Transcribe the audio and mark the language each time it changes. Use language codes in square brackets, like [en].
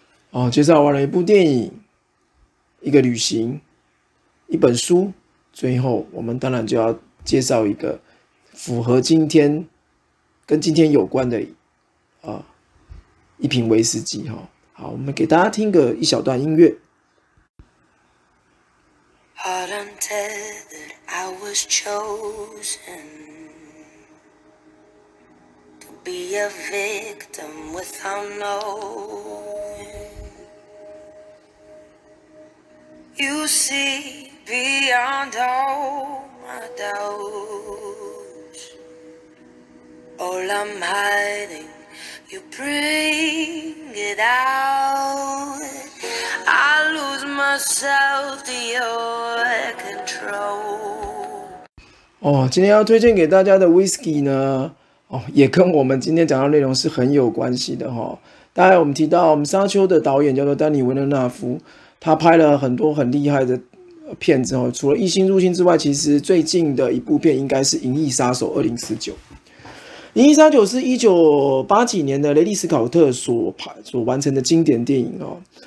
[zh] 哦，介绍完了一部电影、一个旅行、一本书，最后我们当然就要介绍一个符合今天跟今天有关的一瓶威士忌哈。好，我们给大家听个一小段音乐。 [en] Heart untethered, I was chosen to be a victim without knowing. You see beyond all my doubts. All I'm hiding, you bring it out. I lose myself to your control. [zh] 哦，今天要推荐给大家的 whisky 呢，哦，也跟我们今天讲的内容是很有关系的哈、哦。大概我们提到，我们沙丘的导演叫做丹尼·维伦纳夫，他拍了很多很厉害的片子哦。除了《异星入侵》之外，其实最近的一部片应该是《银翼杀手2049》。《银翼杀手》是1980几年的雷利·斯考特所完成的经典电影哦。